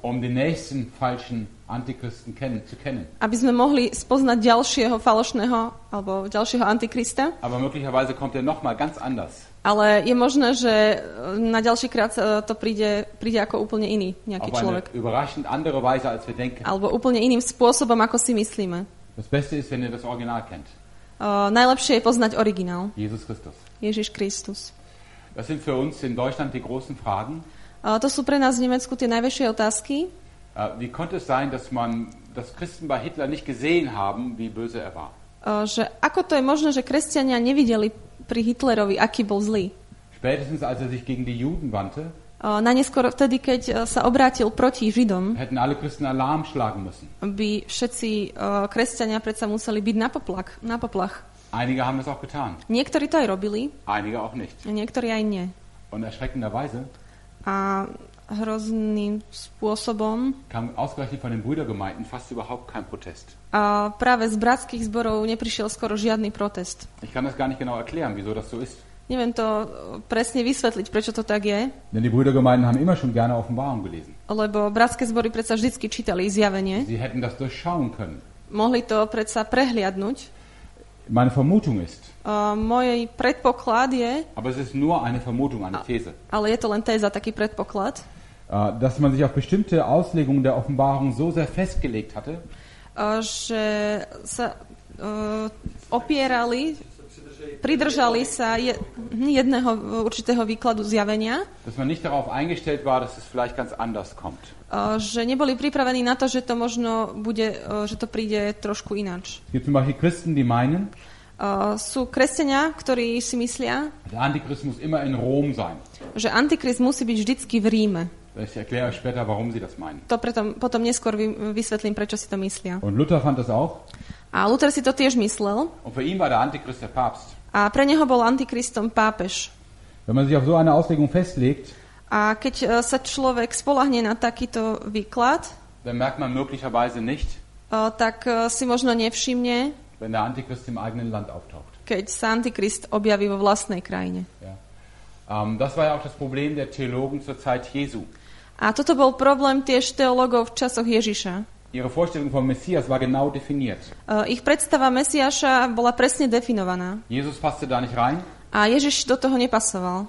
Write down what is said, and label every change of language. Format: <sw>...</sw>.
<de>Um den nächsten falschen Antichristen zu kennen.</de> <sk>Aby sme mohli spoznať ďalšieho falošného alebo ďalšieho antikrista.</sk> <de>Aber möglicherweise kommt er noch mal ganz anders.</de> <sk>Ale je možné, že na ďalší krát to príde ako úplne iný nejaký človek.</sk> <de>Auf eine überraschend andere Weise als wir denken.</de> <sk>Alebo úplne iným spôsobom, ako si myslíme.</sk> <de>Das Beste ist, wenn ihr das Original kennt.</de> <sk>Najlepšie je poznať originál.</sk> <de>Jesus Christus.</de> <sk>Ježiš Kristus.</sk> <de>Das sind für uns in Deutschland die großen Fragen.</de> <sk>To sú pre nás v Nemecku tie najväčšie otázky.</sk> <de>Wie konnte es sein, dass Christen bei Hitler nicht gesehen haben, wie böse er war?</de> <sk>Že ako to je možné, že kresťania nevideli pri Hitlerovi, aký bol zlý?</sk> <de>Spätestens als er sich gegen die Juden wandte.</de> <sk>Na neskôr vtedy, keď sa obrátil proti Židom.</sk> <de>Hätten alle Christen Alarm schlagen müssen.</de> <sk>By všetci kresťania predsa museli byť na poplach.</sk> <de>Einige haben es auch getan.</de> <sk>Niektorí to aj robili.</sk> <de>Einige auch nicht.</de> <sk>Niektorí aj nie.</sk> <de>Und erschreckenderweise.</de> <sk>A hrozným spôsobom.</sk> <de>Kam ausgerechnet von den Brüdergemeinden fast überhaupt kein Protest.</de> <sk>A práve z bratských zborov neprišiel skoro žiadny protest.</sk> <de>Ich kann das gar nicht genau erklären, wieso das so ist.</de> <sk>Neviem to presne vysvetliť, prečo to tak je.</sk> <de>Denn die Brüdergemeinden haben immer schon gerne Offenbarung gelesen.</de> <sk>Lebo bratské zbory predsa vždycky čítali Zjavenie.</sk> <de>Sie hätten das durchschauen können.</de> <sk>Mohli to predsa prehliadnuť.</sk> <de>Meine Vermutung ist.</de> <sk>Môj predpoklad je.</sk> <de>Aber es ist nur eine Vermutung, eine These.</de> <sk>Ale je to len téza, taký predpoklad.</sk> <de>Dass man sich auf bestimmte Auslegungen der Offenbarung so sehr festgelegt hatte.</de> <sk>Že sa opierali, pridržali sa jedného určitého výkladu zjavenia.</sk> <de>Dass man nicht darauf eingestellt war, dass es vielleicht ganz anders kommt.</de> <sk>Že neboli pripravení na to, že to možno bude, že to príde trošku ináč.</sk> <de>Gibt es manche Christen, die meinen?</de> <sk>Sú kresťania, ktorí si myslia,</sk> <de>der Antichrist muss immer in Rom sein.</de> <sk>Že Antichrist musí byť vždycky v Ríme.</sk> <de>Ich erkläre euch später, warum sie das meinen.</de> <sk>To potom neskôr vysvetlím, prečo si to myslia.</sk> <de>Und Luther fand das auch.</de> <sk>A Luther si to tiež myslel.</sk> <de>Und für ihn war der Antichrist der Papst.</de> <sk>A pre neho bol Antikristom pápež.</sk> <de>Wenn man sich auf so eine Auslegung festlegt,</de> <sk>a keď sa človek spoľahne na takýto výklad,</sk> <de>dann merkt man möglicherweise nicht,</de> <sk>tak si možno nevšimne,</sk> <de>wenn der Antichrist im eigenen Land auftaucht.</de> <sk>Keď sa Antikrist objaví vo vlastnej krajine.</sk> <de>Ja. Das war ja auch das Problem der Theologen zur Zeit Jesu.</de> <sk>A toto bol problém tiež teologov v časoch Ježiša.</sk> <de>Ihre Vorstellung vom Messias war genau definiert.</de> <sk>Ich predstava Mesiáša bola presne definovaná.</sk> <de>Jesus passte da nicht rein.</de> <sk>A Ježiš do toho nepasoval.</sk>